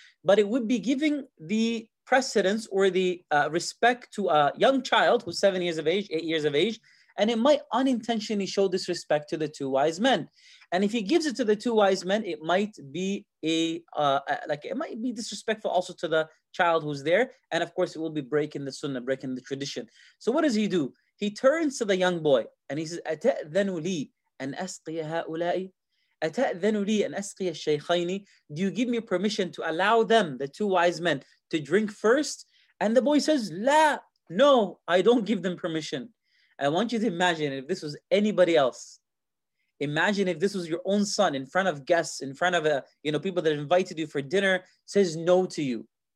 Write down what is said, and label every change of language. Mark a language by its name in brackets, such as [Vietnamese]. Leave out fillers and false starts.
[English] But it would be giving the precedence or the respect to a young child who's 7 years of age, 8 years of age, and it might unintentionally show disrespect to the two wise men. And if he gives it to the two wise men, it might be disrespectful also to the child who's there. And of course, it will be breaking the sunnah, breaking the tradition. So what does he do? He turns to the young boy and he says, [Arabic] أَتَأْذَنُ لِي أَنْ أَسْقِيَ هَؤُلَاءِ أَتَأْذَنُ لِي أَنْ أَسْقِيَ الشَّيْخَيْنِ. [English] Do you give me permission to allow them, the two wise men, to drink first? And the boy says, لَا, no, I don't give them permission. I want you to imagine if this was anybody else. Imagine if this was your own son in front of guests, in front of people that invited you for dinner, says no to you.